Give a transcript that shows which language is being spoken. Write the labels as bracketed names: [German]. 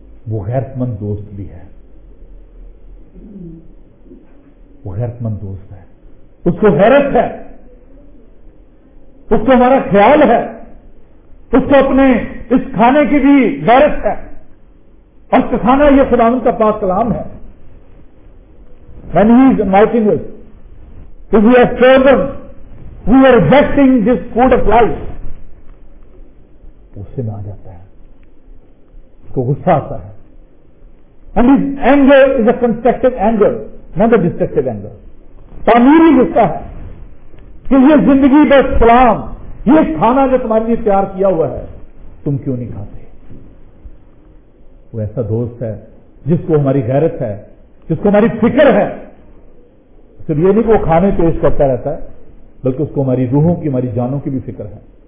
[Urdu] وہ غیرت مند دوست بھی ہے, وہ غیرت مند دوست ہے, اس کو غیرت ہے, اس کو ہمارا خیال ہے, اس کو اپنے اس کھانے کی بھی غیرت ہے. اور کھانا یہ خداوند کا پاک کلام ہے. [English] When he is inviting us, if we have chosen, we are rejecting this food of life. [Urdu] اس سے نہ آ جاتا ہے, اس کو غصہ آتا ہے. [English] And his anger is a constructive anger, not a destructive anger. [Urdu] تعمیری غصہ ہے کہ یہ زندگی کا کلام, یہ کھانا جو تمہارے لیے تیار کیا ہوا ہے تم کیوں نہیں کھاتے. وہ ایسا دوست ہے جس کو ہماری غیرت ہے, جس کو ہماری فکر ہے. صرف یہ نہیں کہ وہ کھانے پیش کرتا رہتا ہے بلکہ اس کو ہماری روحوں کی ہماری جانوں کی بھی فکر ہے.